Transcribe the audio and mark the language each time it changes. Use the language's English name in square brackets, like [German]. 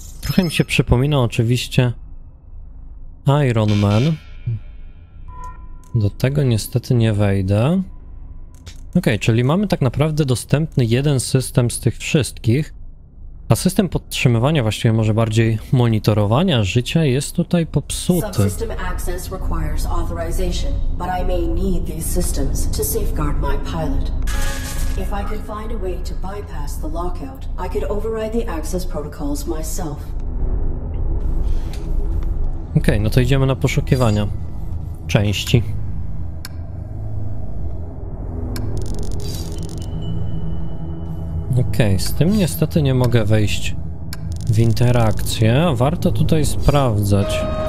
[Polish] Trochę mi się przypomina oczywiście Iron Man. Do tego niestety nie wejdę. Okej, czyli mamy tak naprawdę dostępny jeden system z tych wszystkich. A system podtrzymywania, właściwie może bardziej monitorowania życia, jest tutaj popsuty. [English] Subsystem access requires authorization, but I may need these systems to safeguard my pilot. If I could find a way to bypass the lockout, I could override the access protocols myself. [Polish] Okej, no to idziemy na poszukiwania części. Okej, z tym niestety nie mogę wejść w interakcję. Warto tutaj sprawdzać.